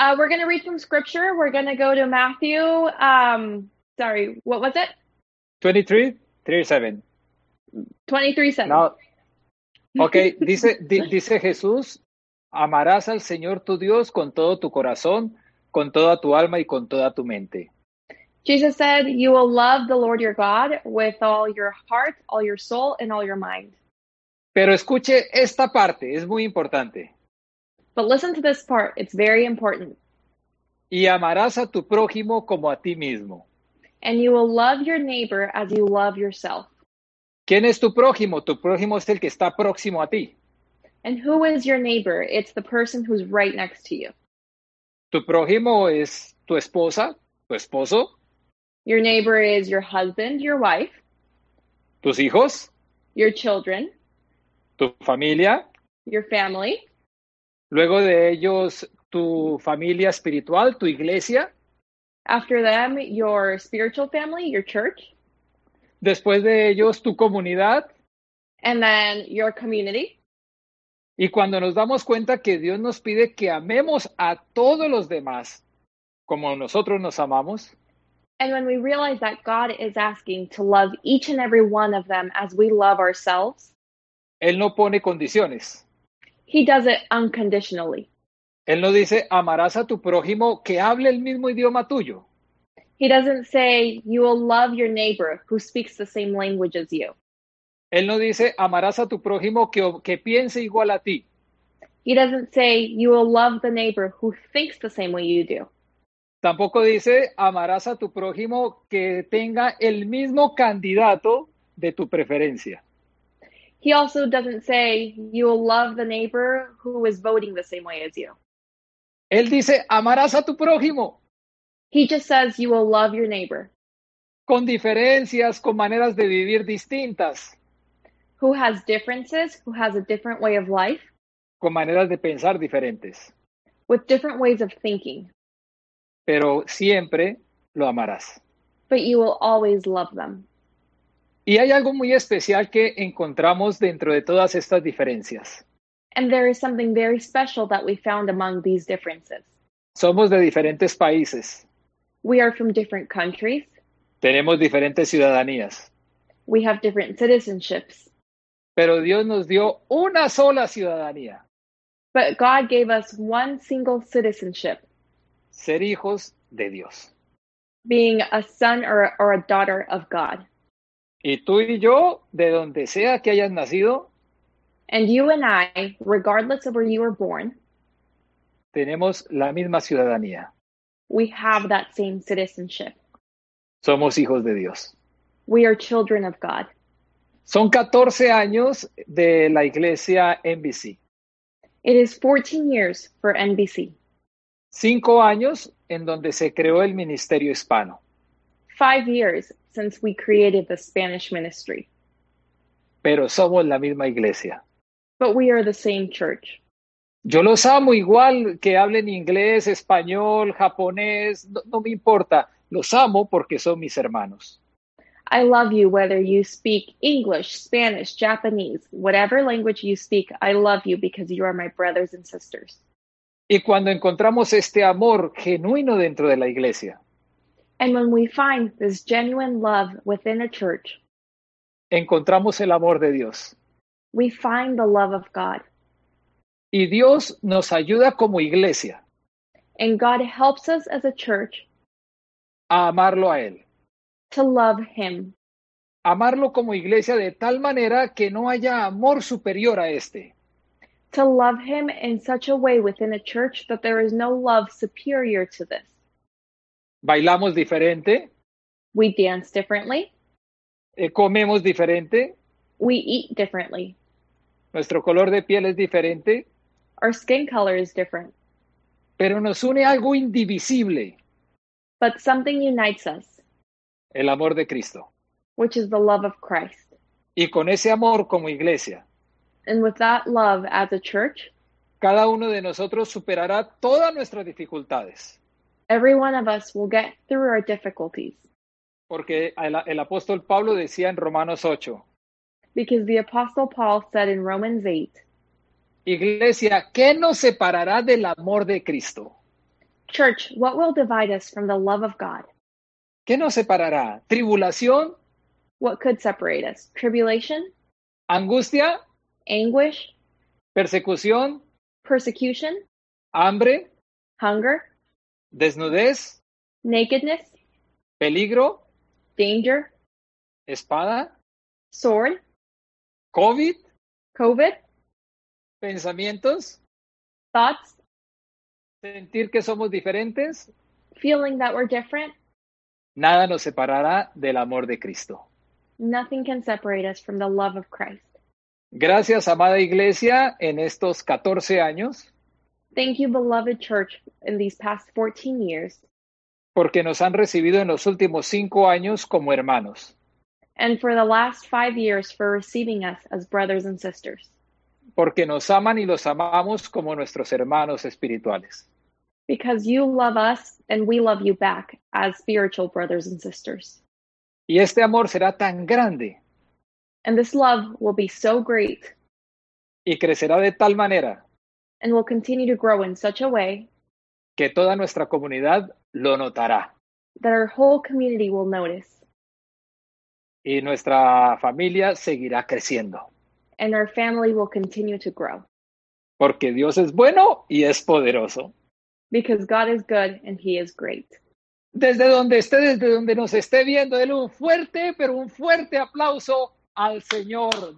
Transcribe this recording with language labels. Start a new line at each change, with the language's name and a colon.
English: We're going to read from scripture. We're going to go to Matthew. Sorry, what was it? 23:37. 23:7. No. Okay.
Spanish: Dice Jesús. Amarás al Señor tu Dios con todo tu corazón, con toda tu alma y con toda tu mente.
English: Jesus said, you will love the Lord your God with all your heart, all your soul, and all your mind.
Spanish: Pero escuche esta parte, es muy importante.
English: But listen to this part, it's very important.
Spanish: Y amarás a tu prójimo como a ti mismo.
English: And you will love your neighbor as you love yourself.
Spanish: ¿Quién es tu prójimo? Tu prójimo es el que está próximo a ti.
English: And who is your neighbor? It's the person who's right next to you.
Spanish: Tu prójimo es tu esposa, tu esposo.
English: Your neighbor is your husband, your wife.
Spanish: Tus hijos.
English: Your children.
Spanish: Tu familia.
English: Your family.
Spanish: Luego de ellos, tu familia espiritual, tu iglesia.
English: After them, your spiritual family, your church.
Spanish: Después de ellos, tu comunidad.
English: And then your community.
Spanish: Y cuando nos damos cuenta que Dios nos pide que amemos a todos los demás como nosotros nos amamos.
English: And when we realize that God is asking to love each and every one of them as we love ourselves.
Spanish: Él no pone condiciones.
English: He does it unconditionally.
Spanish: Él no dice, amarás a tu prójimo que hable el mismo idioma tuyo.
English: He doesn't say, you will love your neighbor who speaks the same language as you.
Spanish: Él no dice, amarás a tu prójimo que piense igual a ti.
English: He doesn't say, you will love the neighbor who thinks the same way you do.
Spanish: Tampoco dice, amarás a tu prójimo que tenga el mismo candidato de tu preferencia.
English: He also doesn't say, you will love the neighbor who is voting the same way as you.
Spanish: Él dice, amarás a tu prójimo.
English: He just says, you will love your neighbor.
Spanish: Con diferencias, con maneras de vivir distintas.
English: Who has differences, who has a different way of life.
Spanish: Con maneras de pensar diferentes.
English: With different ways of thinking.
Spanish: Pero siempre lo amarás.
English: But you will always love them.
Spanish: Y hay algo muy especial que encontramos dentro de todas estas diferencias.
English: And there is something very special that we found among these differences.
Spanish: Somos de diferentes países.
English: We are from different countries.
Spanish: Tenemos diferentes ciudadanías.
English: We have different citizenships.
Spanish: Pero Dios nos dio una sola ciudadanía.
English: But God gave us one single citizenship.
Spanish: Ser hijos de Dios.
English: Being a son or a daughter of God.
Spanish: Y tú y yo, de donde sea que hayas nacido.
English: And you and I, regardless of where you were born.
Spanish: Tenemos la misma ciudadanía.
English: We have that same citizenship.
Spanish: Somos hijos de Dios.
English: We are children of God.
Spanish: Son 14 años de la iglesia NBC.
English: It is 14 years for NBC.
Spanish: 5 años en donde se creó el ministerio hispano.
English: 5 years since we created the Spanish ministry.
Spanish: Pero somos la misma iglesia.
English: But we are the same church.
Spanish: Yo los amo igual que hablen inglés, español, japonés, no me importa. Los amo porque son mis hermanos.
English: I love you whether you speak English, Spanish, Japanese, whatever language you speak, I love you because you are my brothers and sisters.
Spanish: Y cuando encontramos este amor genuino dentro de la iglesia.
English: And when we find this genuine love within a church.
Spanish: Encontramos el amor de Dios.
English: We find the love of God.
Spanish: Y Dios nos ayuda como iglesia.
English: And God helps us as a church.
Spanish: A amarlo a Él.
English: To love him.
Spanish: Amarlo como iglesia de tal manera que no haya amor superior a este.
English: to love him in such a way within a church that there is no love superior to this.
Spanish: Bailamos diferente.
English: We dance differently.
Spanish: Comemos diferente.
English: We eat differently.
Spanish: Nuestro color de piel es diferente.
English: Our skin color is different.
Spanish: Pero nos une algo indivisible.
English: But something unites us.
Spanish: El amor de Cristo.
English: Which is the love of Christ.
Spanish: Y con ese amor como iglesia.
English: And with that love as a church.
Spanish: Cada uno de nosotros superará todas nuestras dificultades.
English: Every one of us will get through our difficulties.
Spanish: Porque el apóstol Pablo decía en Romanos 8.
English: Because the apostle Paul said in Romans 8.
Spanish: Iglesia, ¿qué nos separará del amor de Cristo?
English: Church, what will divide us from the love of God?
Spanish: ¿Qué nos separará? ¿Tribulación?
English: What could separate us? Tribulation?
Spanish: ¿Angustia?
English: Anguish?
Spanish: ¿Persecución?
English: Persecution?
Spanish: ¿Hambre?
English: Hunger?
Spanish: ¿Desnudez?
English: Nakedness?
Spanish: ¿Peligro?
English: Danger?
Spanish: ¿Espada?
English: Sword?
Spanish: ¿COVID?
English: COVID?
Spanish: ¿Pensamientos?
English: Thoughts?
Spanish: ¿Sentir que somos diferentes?
English: Feeling that we're different?
Spanish: Nada nos separará del amor de Cristo.
English: Nothing can separate us from the love of Christ.
Spanish: Gracias, amada iglesia, en estos 14 años.
English: Thank you, beloved church, in these past 14 years.
Spanish: Porque nos han recibido en los últimos 5 años como hermanos.
English: And for the last 5 years for receiving us as brothers and sisters.
Spanish: Porque nos aman y los amamos como nuestros hermanos espirituales.
English: Because you love us and we love you back as spiritual brothers and sisters.
Spanish: Y este amor será tan grande.
English: And this love will be so great.
Spanish: Y crecerá de tal manera.
English: And will continue to grow in such a way.
Spanish: Que toda nuestra comunidad lo notará.
English: That our whole community will notice.
Spanish: Y nuestra familia seguirá creciendo.
English: And our family will continue to grow.
Spanish: Porque Dios es bueno y es poderoso.
English: Because God is good and he is great.
Spanish: Desde donde esté, desde donde nos esté viendo, denle un fuerte, pero un fuerte aplauso al Señor.